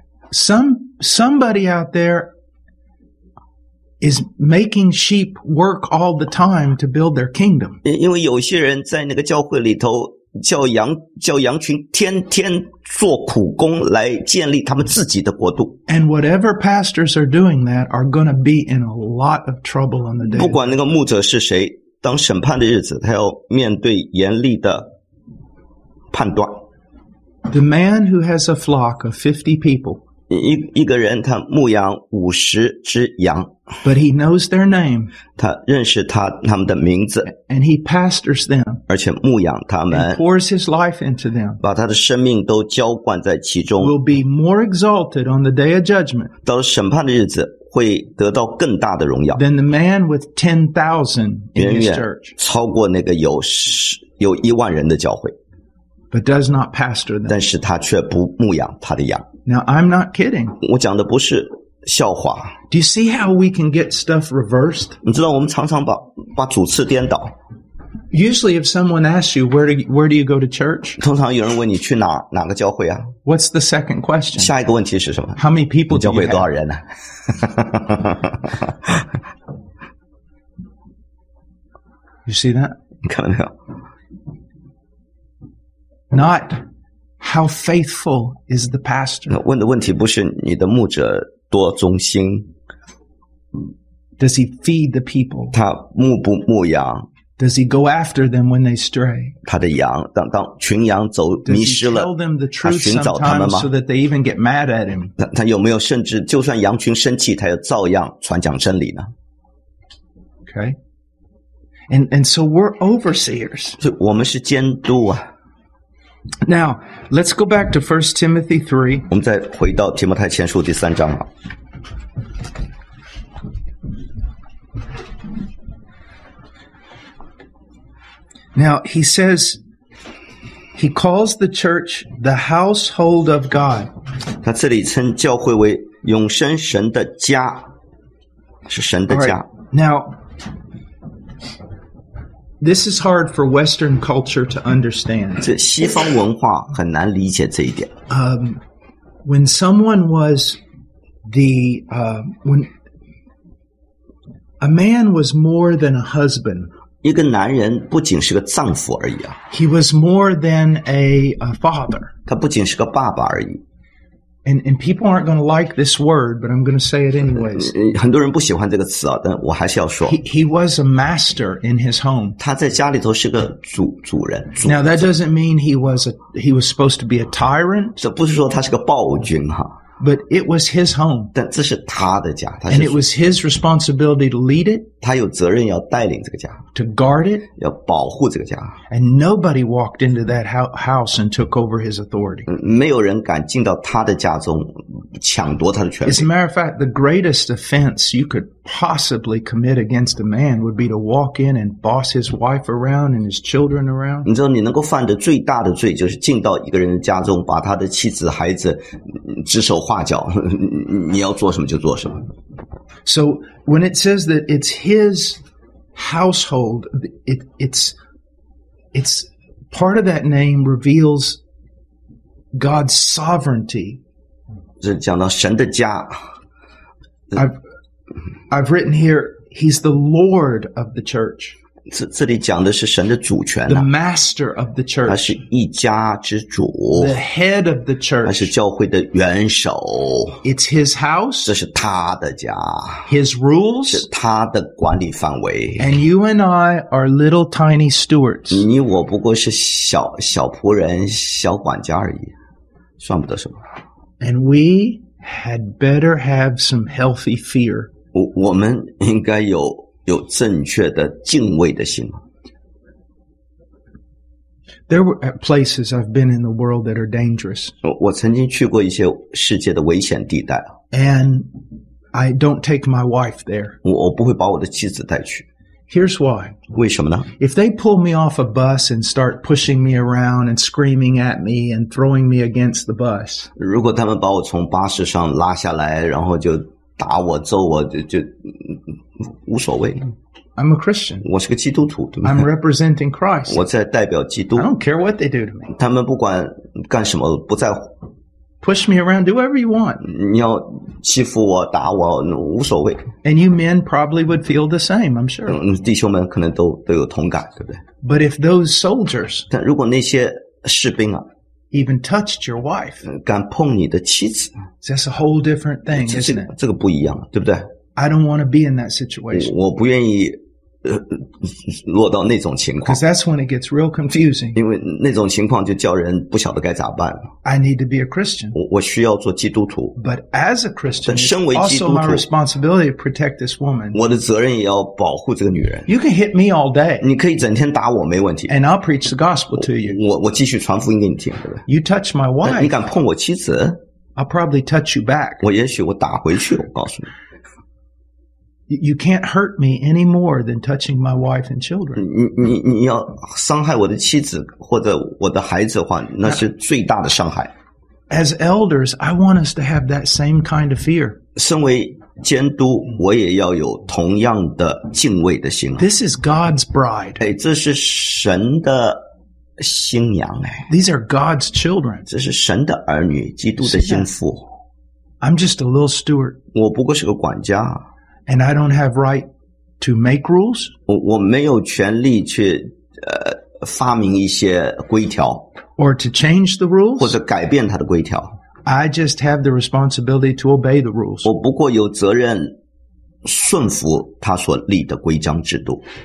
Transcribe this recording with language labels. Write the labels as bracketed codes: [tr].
[en] Somebody out there is making sheep work all the time to build their kingdom. [zh] 因为有些人在那个教会里头。叫羊群天天做苦工来建立他们自己的国度。 [en] And whatever pastors are doing that are going to be in a lot of trouble on the day. [zh] 不管那个牧者是谁，当审判的日子，他要面对严厉的判断。 [en] The man who has a flock of 50 people. [zh] 一个人他牧养五十只羊。 [en] But he knows their name. [zh] 他认识他们的名字。 [en] And he pastors them. [zh] 而且牧养他们。 [en] And pours his life into them. [zh] 把他的生命都浇灌在其中。 [en] Will be more exalted on the day of judgment. [zh] 到审判的日子会得到更大的荣耀。 [en] Than the man with 10,000 in his church. [zh] 超过那个有一万人的教会。 [en] But does not pastor them. [zh] 但是他却不牧养他的羊。 [en] Now I'm not kidding. [zh] 我讲的不是。笑话。 [en] Do you see how we can get stuff reversed? [zh] 你知道我们常常把主次颠倒。 [en] Usually if someone asks you, where do you go to church? [zh] 通常有人问你去哪个教会啊。 [en] What's the second question? [zh] 下一个问题是什么？ [en] How many people do you have? [zh] 教会多少人呢？ [en] You see that? [zh] 你看到没有？ [en] Not how faithful is the pastor? [zh] 问的问题不是你的牧者多忠心。 [en] Does he feed the people? [zh] 他牧不牧羊。 [en] Does he go after them when they stray? [zh] 他的羊，当群羊走迷失了。 [en] Does he tell them the truth sometimes so that they even get mad at him? [zh] 他有没有甚至就算羊群生气，他也照样传讲真理呢？ [en] Okay. And so we're overseers. [zh] 所以我们是监督啊。 [en] Now, let's go back to 1 Timothy 3. [zh] 我们再回到提摩太前书第三章啊。 [en] Now, he says, he calls the church the household of God. [zh] 他这里称教会为永生神的家，是神的家。 [en] Now, this is hard for Western culture to understand. [zh] 这西方文化很难理解这一点。 [en] When someone was when a man was more than a husband, [zh] 一个男人不仅是个丈夫而已啊。 [en] He was more than a father. [zh] 他不仅是个爸爸而已。 [en] And people aren't going to like this word, but I'm going to say it anyways. [zh] 很多人不喜欢这个词啊，但我还是要说。 [en] He was a master in his home. [zh] 他在家里头是个主人。 [en] Now that doesn't mean he was supposed to be a tyrant. [zh] 这不是说他是个暴君哈。 [en] But it was his home. [zh] 但这是他的家。 [en] And it was his responsibility to lead it. [zh] 他有责任要带领这个家。 [en] To guard it. [zh] 要保护这个家。 [en] And nobody walked into that house and took over his authority. [zh] 没有人敢进到他的家中抢夺他的权利。 [en] As a matter of fact, the greatest offense you could possibly commit against a man would be to walk in and boss his wife around and his children around. [zh] 你知道你能够犯的最大的罪就是进到一个人的家中把他的妻子孩子指手画脚你要做什么就做什么。 [en] So when it says that it's his household, it's part of that name reveals God's sovereignty. [zh] 这讲到神的家。 [en] I've written here, he's the Lord of the church. [zh] 这里讲的是神的主权、啊、 [en] The master of the church. [zh] 他是一家之主。 [en] The head of the church. [zh] 他是教会的元首。 [en] It's his house. [zh] 这是他的家。 [en] His rules. [zh] 是他的管理范围。 [en] And you and I are little tiny stewards. [zh] 你我不过是小仆人、小管家而已。算不得什么。 [en] And we had better have some healthy fear. [zh] 我们应该有正确的敬畏的心。 [en] There were places I've been in the world that are dangerous. [zh] 我曾经去过一些世界的危险地带。 [en] And I don't take my wife there. [zh] 我不会把我的妻子带去。 [en] Here's why. [zh] 为什么呢? [en] If they pull me off a bus and start pushing me around and screaming at me and throwing me against the bus. [zh] 如果他们把我从巴士上拉下来，然后就打我揍我就无所谓。 [en] I'm a Christian. [zh] 我是个基督徒，对吗？ [en] I'm representing Christ. [zh] 我在代表基督。 [en] I don't care what they do to me. [zh] 他们不管干什么，不在乎。 [en] Push me around, do whatever you want. [zh] 你要欺负我，打我，无所谓。 [en] And you men probably would feel the same, I'm sure. [zh] 弟兄们可能都有同感，对不对？ [en] But if those soldiers, [zh] 但如果那些士兵啊。 [en] Even touched your wife. [zh] 敢碰你的妻子。 [en] That's a whole different thing, isn't it? [zh] 这个不一样，对不对？ [en] I don't want to be in that situation. [zh] 我不愿意落到那种情况。 [en] Because that's when it gets real confusing. [zh] 因为那种情况就叫人不晓得该咋办。 [en] I need to be a Christian. [zh] 我需要做基督徒。 [en] But as a Christian, [zh] 但身为基督徒， [en] also my responsibility to protect this woman. [zh] 我的责任也要保护这个女人。 [en] You can hit me all day. [zh] 你可以整天打我没问题。 [en] And I'll preach the gospel to you. [zh] 我继续传福音给你听，对不对？ [en] You touch my wife. [zh] 你敢碰我妻子？ [en] I'll probably touch you back. [zh] 我也许我打回去，我告诉你。 [en] You can't hurt me any more than touching my wife and children. [zh] 你要伤害我的妻子或者我的孩子的话，那是最大的伤害。 [en] As elders, I want us to have that same kind of fear. [zh] 身为监督，我也要有同样的敬畏的心。 [en] This is God's bride. [zh] 哎，这是神的新娘哎。 [en] These are God's children. [zh] 这是神的儿女，基督的心腹。 [en] I'm just a little steward. [zh] 我不过是个管家。 [en] And I don't have right to make rules. [zh] 我没有权利去发明一些规条。 [en] Or to change the rules. [zh] 或者改变它的规条。 [en] I just have the responsibility to obey the rules. [zh] 我不过有责任顺服他所立的规章制度。